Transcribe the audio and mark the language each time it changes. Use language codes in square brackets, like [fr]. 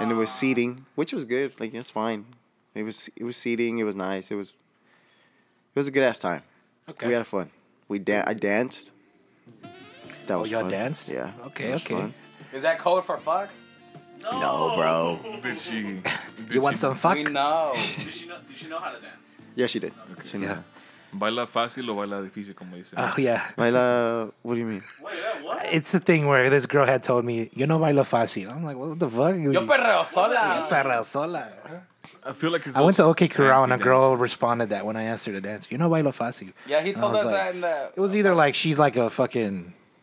[en] And it was seating, which was good. Like, it's fine. It was seating, it was nice. It was a good ass time. Okay. We had fun. I danced. That was fun. Oh, y'all danced? Yeah. Okay, okay. Fun. Is that code for fuck? No bro. You want some fuck? We know. Did she know how to dance? Yeah, she did. Okay. She knew. Yeah. [es] Baila fácil o baila difícil, como dicen. [en] Oh, yeah. [es] Baila, [en] what do you mean? What? It's the thing where this girl had told me, [es] yo no bailo fácil. [en] I'm like, what the fuck? [es] Yo perreo sola. Yo perreo sola. [en] I feel like it's I went to OK Corral and a girl responded that when I asked her to dance. You know [es] bailo fácil. [en] Yeah, he told us like, that in the... It was either like she's like a fucking...